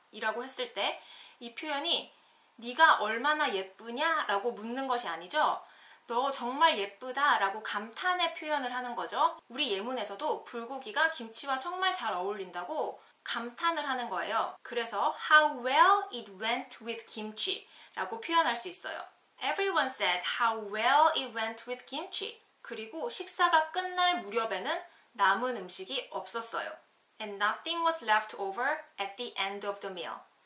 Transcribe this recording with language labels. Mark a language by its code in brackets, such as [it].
[ko] 이라고 했을 때 이 표현이 네가 얼마나 예쁘냐? 라고 묻는 것이 아니죠. 너 정말 예쁘다 라고 감탄의 표현을 하는 거죠. 우리 예문에서도 불고기가 김치와 정말 잘 어울린다고 감탄을 하는 거예요. 그래서 [en] How well it went with kimchi [ko] 라고 표현할 수 있어요. [en] Everyone said how well it went with kimchi. [ko] 그리고 식사가 끝날 무렵에는 남은 음식이 없었어요. [en] And nothing was left over at the end of the meal.